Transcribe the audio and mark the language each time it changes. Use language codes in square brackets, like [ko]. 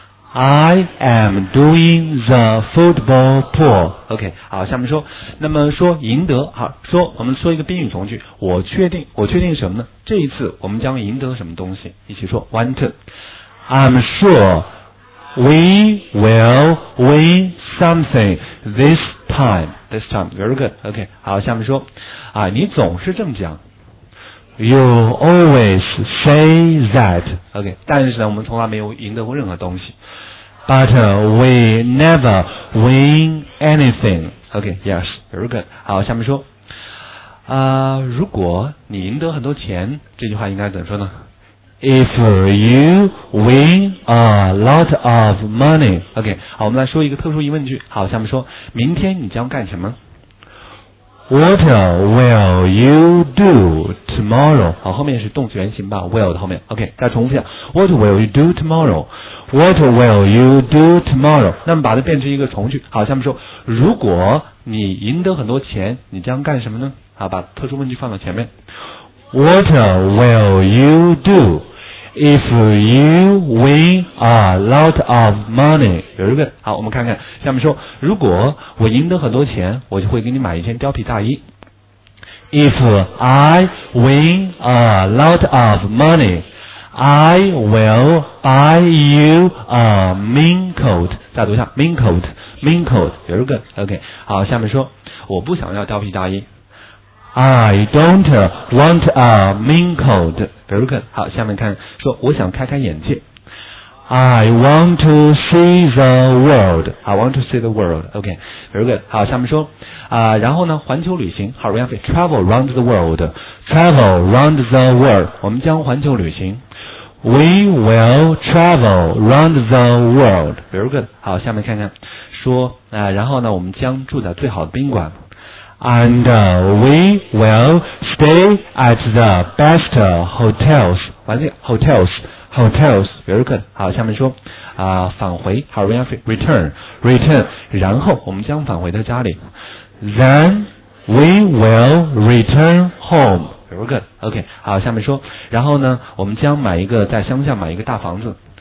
[en] I am doing the football pool. [zh] OK， 好，下面说，那么说赢得，好，说我们说一个宾语从句，我确定，我确定什么呢？这一次我们将赢得什么东西？一起说 ， [en] one two。 I'm sure we will win something this time. This time, very good. [zh] OK， 好，下面说，啊，你总是这么讲。 [en] You always say that. [zh] OK， 但是呢，我们从来没有赢得过任何东西。 [en] But we never win anything. OK， yes, very good. [zh] 好，下面说，如果你赢得很多钱，这句话应该怎么说呢？ [en] If you win a lot of money. [zh] OK， 好，我们来说一个特殊疑问句。好，下面说，明天你将干什么？ [en] What will you do tomorrow? [zh] 好，后面是动词原形吧 ，will 的后面。 [en] OK， [zh] 再重复一下 [en] ，What will you do tomorrow? What will you do tomorrow? [zh] 那么把它变成一个从句。好，下面说，如果你赢得很多钱，你将干什么呢？好，把特殊问句放到前面。 [en] What will you do if you win a lot of money? Very good. [zh] 好，我们看看，下面说，如果我赢得很多钱，我就会给你买一件貂皮大衣。 [en] If I win a lot of money, I will buy you a mink coat. [zh] 再读一下 [en] mink coat, mink coat. Very good. OK. [zh] 好，下面说，我不想要貂皮大衣。 [en] I don't want a mink coat. Very good. [zh] 好，下面看，说我想开开眼界。 [en] I want to see the world. I want to see the world. OK. Very good. [zh] 好，下面说，然后呢，环球旅行。好，我们要 [en] travel around the world. Travel around the world. [zh] 我们将环球旅行。 [en] We will travel around the world. Very good. [zh] 好，下面看看，说，然后呢，我们将住在最好的宾馆。 [en] And we will stay at the best hotels. [zh] 完了 [en] ，hotels, hotels, very good. [zh] 好，下面说，返回 ， [en] how we return, return. [zh] 然后我们将返回到家里。 [en] Then we will return home. Very good. OK. [zh] 好，下面说，然后呢，我们将买一个在乡下买一个大房子。